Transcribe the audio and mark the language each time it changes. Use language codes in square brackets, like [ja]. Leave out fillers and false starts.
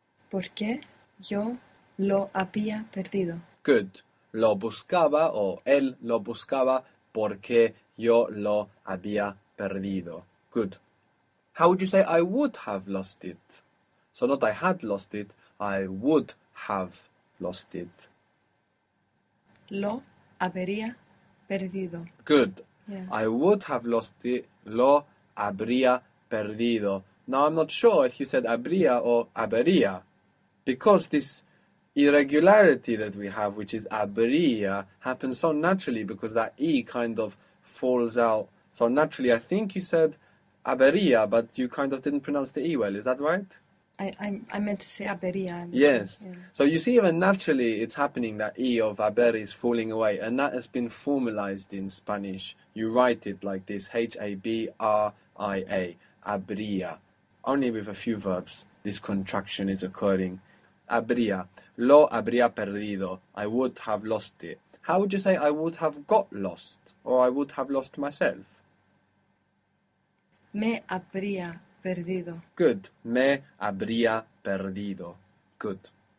[es] Porque yo lo había perdido. [en] Good. [es] Lo buscaba o él lo buscaba porque yo lo había perdido. [en] Good. How would you say I would have lost it? So not I had lost it, I would have lost it. [es] Lo habría perdido. [en] Good. Yeah. I would have lost it. [es] Lo habría perdido. [en] Now, I'm not sure if you said habría or habería, because this irregularity that we have, which is habría, happens so naturally because that E kind of falls out. So naturally, I think you said habería, but you kind of didn't pronounce the E well. Is that right? I meant to say habería, I'm sorry. Yes. Yeah. So you see, even naturally, it's happening that E of haber is falling away, and that has been formalized in Spanish. You write it like this, [es] Habría, habría. [en] Only with a few verbs, this contraction is occurring. Habría, lo habría perdido. I would have lost it. How would you say I would have got lost, or I would have lost myself? [es] Me habría perdido. [en] Good. [es] Me habría perdido. [en] Good.